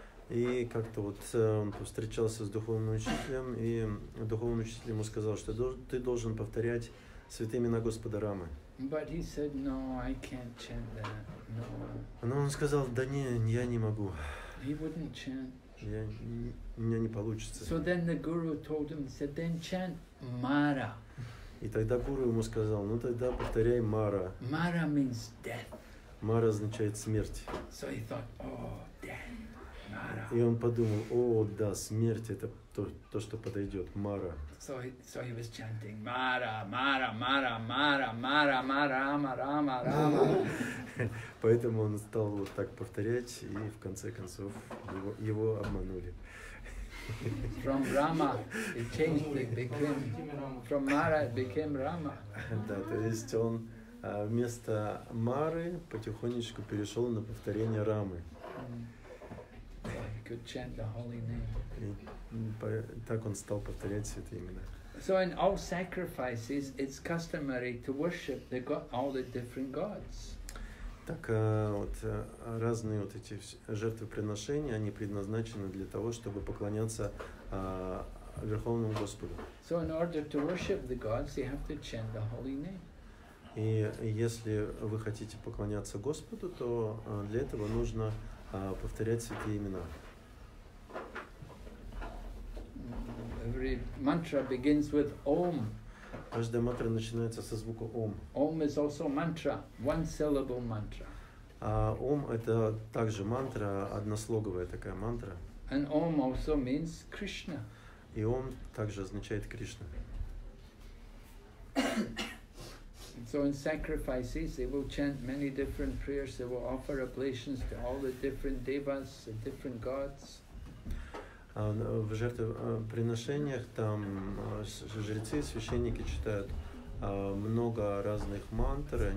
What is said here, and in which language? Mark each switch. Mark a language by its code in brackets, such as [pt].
[ru] И как-то вот он повстречался с духовным учителем, и духовный учитель ему сказал, что ты должен повторять святые имена Господа Рамы. [en] But he said, no, I can't chant that. No. [ru] Но он сказал, да не, я не могу. [en] He wouldn't chant. [ru] У меня не получится. [en] So then the guru told him, said, then chant Mara. [ru] И тогда гуру ему сказал, ну тогда повторяй Мара. [en] Mara means death. [ru] Мара означает смерть. [en] So he thought, oh, death, Mara. [ru] И он подумал, о, да, смерть это то, что подойдет, Мара. [en] So he was chanting Mara, Mara, Mara, Mara, Mara, Mara, Mara, Mara, Mara, Mara. [ru] Поэтому он стал вот так повторять, и в конце концов его обманули. [en] From Rama it changed, it became from Mara it became Rama. [ru] Да, то есть он вместо Мары потихонечку перешел на повторение Рамы. [en] could chant the holy name. [ru] Так он стал повторять святые имена. [en] So in all sacrifices, it's customary to worship the God, all the different gods. [ru] Так вот разные вот эти жертвоприношения, они предназначены для того, чтобы поклоняться Верховному Господу. [en] So in order to worship the gods, you have to chant the holy name. [ru] И если вы хотите поклоняться Господу, то для этого нужно повторять святые имена. [en] Every mantra begins with Om. [ru] Каждая мантра начинается со звука Ом. [en] Om is also mantra, one syllable mantra. [ru] А Ом это также мантра, однослоговая такая мантра. [en] And Om also means Krishna. [ru] И Ом также означает Кришна. [en] So in sacrifices, they will chant many different prayers. They will offer oblations to all the different devas, the different gods. [ru] В жертвоприношениях там жрецы и священники читают много разных мантр.